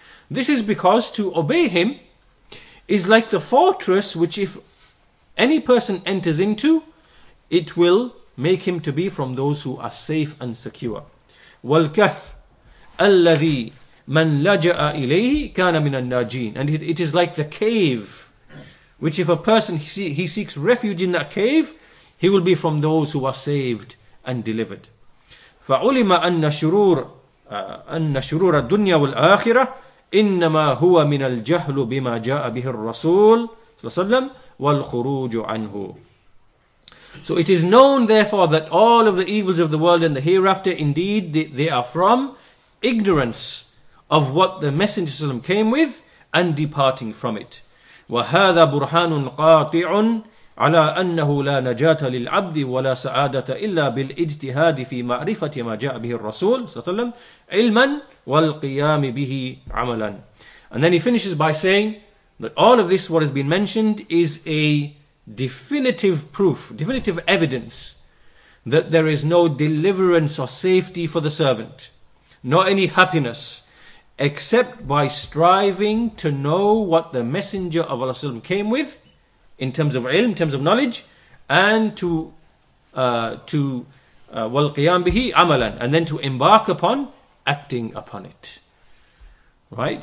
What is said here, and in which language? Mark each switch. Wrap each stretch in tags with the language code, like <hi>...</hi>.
<en>This is because to obey him is like the fortress which if any person enters into, it will make him to be from those who are safe and secure.</en> <ar>وَالْكَفْ الَّذِي مَنْ لَجَأَ إِلَيْهِ كَانَ مِنَ النَّاجِينَ.</ar> <en>And it is like the cave, which if a person he seeks refuge in that cave, he will be from those who are saved and delivered.</en> <ar>فَعُلِمَ أَنَّ شُرُورَ الدُّنْيَا وَالْآخِرَةِ إنما هو من الجهل بما جاء به الرسول صلى الله عليه وسلم والخروج عنه.</ar> <en>So it is known therefore that all of the evils of the world and the hereafter indeed they are from ignorance of what the Messenger</en> <ar>صلى الله عليه وسلم</ar> <en>came with and departing from it.</en> <ar>وهذا برهان قاطع على أنه لا نجاة للعبد ولا سعادة إلا بالاجتهاد في معرفة ما جاء به الرسول صلى الله عليه وسلم علما والقيام به عملا.</ar> <en>And then he finishes by saying that all of this what has been mentioned is a definitive proof, definitive evidence that there is no deliverance or safety for the servant, nor any happiness, except by striving to know what the Messenger of Allah came with in terms of ilm, in terms of knowledge, and to</en> <ar>وَالْقِيَامْ بِهِ عَمَلًا,</ar> <en>and then to embark upon acting upon it. Right?</en>